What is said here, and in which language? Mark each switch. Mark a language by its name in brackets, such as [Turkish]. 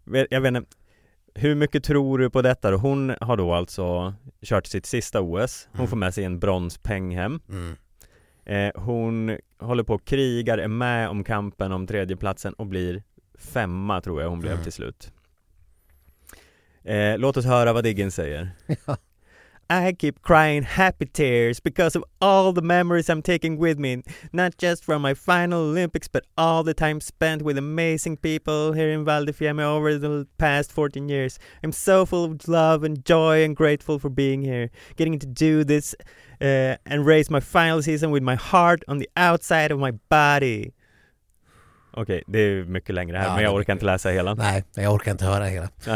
[Swedish] Jag vet inte, hur mycket tror du på detta? Hon har då alltså kört sitt sista OS. Hon får med sig en bronspeng hem. Mm. Hon håller på och krigar, är med om kampen om tredjeplatsen och blir femma, tror jag hon blev till slut. Låt oss höra vad Diggins säger. [English] I keep crying happy tears because of all the memories I'm taking with me. Not just from my final Olympics, but all the time spent with amazing people here in Val di Fiemme over the past 14 years. I'm so full of love and joy and grateful for being here. Getting to do this and race my final season with my heart on the outside of my body. [Swedish] Okej, okay, det är mycket längre här, ja, men jag orkar inte läsa hela. Nej, jag orkar inte höra hela.